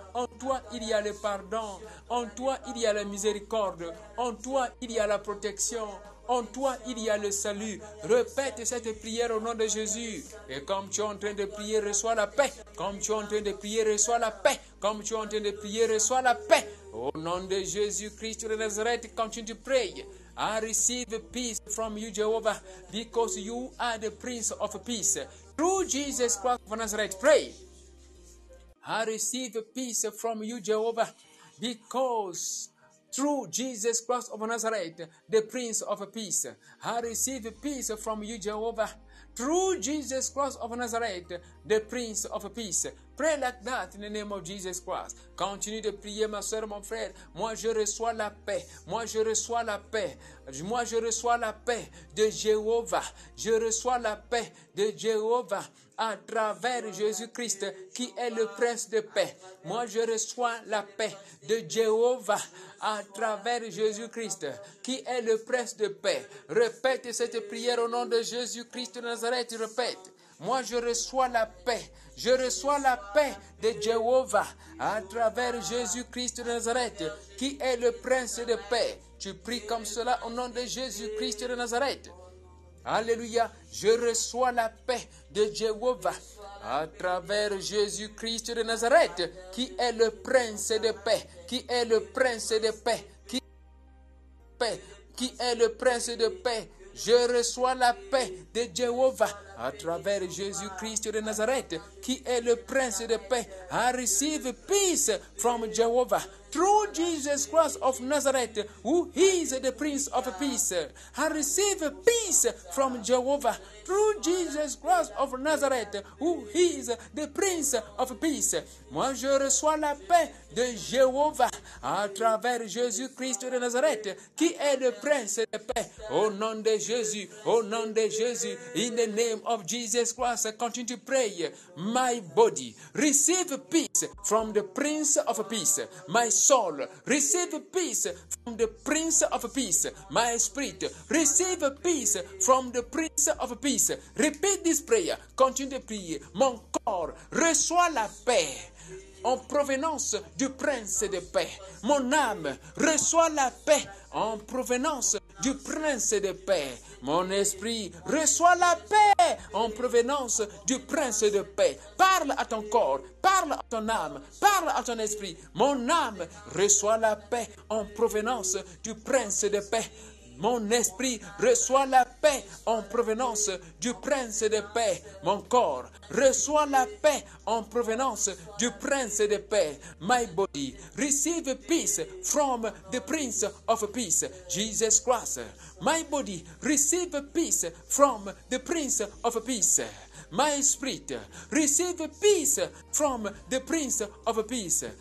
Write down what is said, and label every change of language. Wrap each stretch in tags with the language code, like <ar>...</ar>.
<fr>En toi, il y a le pardon. En toi, il y a la miséricorde. En toi, il y a la protection. En toi, il y a le salut. Répète cette prière au nom de Jésus. Et comme tu es en train de prier, reçois la paix. Comme tu es en train de prier, reçois la paix. Comme tu es en train de prier, reçois la paix. Au nom de Jésus-Christ de Nazareth, continue de prier.</fr> <en>I receive peace from you, Jehovah, because you are the Prince of Peace. Through Jesus Christ of Nazareth, pray. I receive peace from you, Jehovah, because through Jesus Christ of Nazareth, the Prince of Peace. I receive peace from you, Jehovah, through Jesus Christ of Nazareth, the Prince of Peace. Pray like that in the name of Jesus Christ.</en> <fr>Continue de prier, ma soeur, mon frère. Moi, je reçois la paix. Moi, je reçois la paix. Moi, je reçois la paix de Jéhovah. Je reçois la paix de Jéhovah à travers Jésus-Christ qui est le Prince de paix. Moi, je reçois la paix de Jéhovah à travers Jésus-Christ qui est le Prince de paix. Répète cette prière au nom de Jésus-Christ de Nazareth. Répète. Moi, je reçois la paix. Je reçois la paix de Jéhovah à travers Jésus-Christ de Nazareth, qui est le Prince de paix. Tu pries comme cela au nom de Jésus-Christ de Nazareth. Alléluia. Je reçois la paix de Jéhovah à travers Jésus-Christ de Nazareth, qui est le Prince de paix. Qui est le Prince de paix. Qui est le Prince de paix. Qui est le Prince de paix. Je reçois la paix de Jéhovah à travers Jésus-Christ de Nazareth, qui est le Prince de paix.</fr> <en>I receive peace from Jehovah through Jesus Christ of Nazareth, who is the Prince of Peace. I receive peace from Jehovah through Jesus Christ of Nazareth, who is the Prince of Peace.</en> <fr>Moi, je reçois la paix de Jéhovah à travers Jésus-Christ de Nazareth, qui est le Prince de paix. Au nom de Jésus,</fr> <en>au nom de Jésus, in the name of Jesus Christ, continue to pray. My body, receive peace from the Prince of Peace. My soul, receive peace from the Prince of Peace. My spirit, receive peace from the Prince of Peace. Repeat this prayer, continue to pray.</en> <fr>Mon corps, reçois la paix en provenance du Prince de paix. Mon âme reçoit la paix en provenance du Prince de paix. Mon esprit reçoit la paix en provenance du Prince de paix. Parle à ton corps, parle à ton âme, parle à ton esprit. Mon âme reçoit la paix en provenance du Prince de paix. Mon esprit reçoit la paix en provenance du Prince de paix. Mon corps reçoit la paix en provenance du Prince de paix.</fr> <en>My body, receive peace from the Prince of Peace, Jesus Christ. My body, receive peace from the Prince of Peace. My spirit, receive peace from the Prince of Peace.</en>